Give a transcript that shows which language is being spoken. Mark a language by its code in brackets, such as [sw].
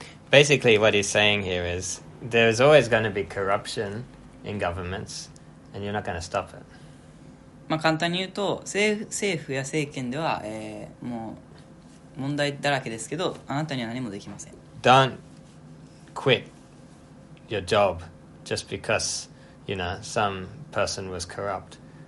[en] Basically, what he's saying here is there's always going to be corruption in governments, and you're not going to stop it. [ja] まあ、簡単に言うと、政府や政権では、もう問題だらけですけど、あなたには何もできません。 [en] Don't quit your job just because, you know, some person was corrupt.